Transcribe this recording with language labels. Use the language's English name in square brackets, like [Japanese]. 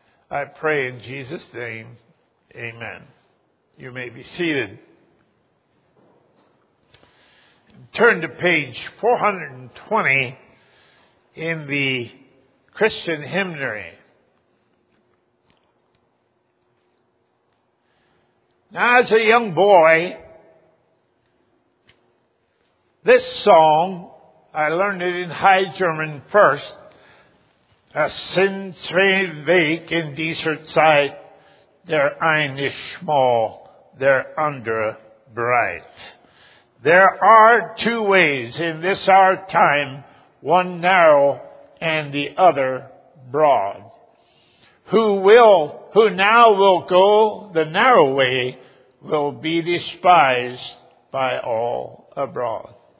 [English] I pray in Jesus' name. Amen. You may be seated. Turn to page 420 in the Christian hymnary. Now, as a young boy, this song, I learned it in High German first, [German] Das sind zwei Wege in dieser Zeit, der eine ist schmal, der andere breit. [English] There are two ways in this our time, one narrow and the other broad. Who now will go the narrow way will be despised by all abroad.